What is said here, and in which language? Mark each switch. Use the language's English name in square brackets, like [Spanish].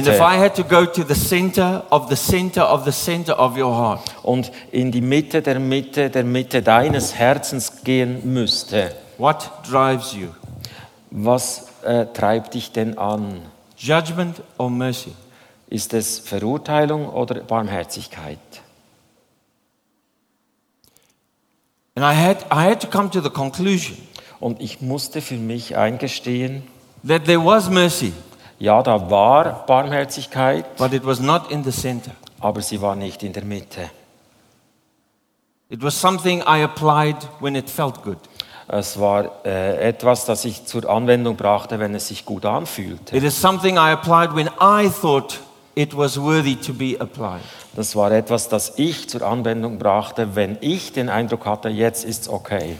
[English] And if I had to go to the center of the center of the center of your heart. [German] Und in die Mitte der Mitte der Mitte deines Herzens gehen müsste. [English] What drives you? [German] Was treibt dich denn an? [English] Judgment or mercy? [German] Ist es Verurteilung oder Barmherzigkeit? [English] And I had to come to the conclusion. [German] Und ich musste für mich eingestehen, [English] that there was mercy. [German] Ja, da war Barmherzigkeit, [English] but it was not in the center. [German] Aber sie war nicht in der Mitte. [English] It was something I applied when it felt good. [German] Es war etwas, das ich zur Anwendung brachte, wenn es sich gut anfühlte. [English] It is something I applied when I thought it was worthy to be applied. [German] Das war etwas, das ich zur Anwendung brachte, wenn ich den Eindruck hatte, jetzt ist es okay.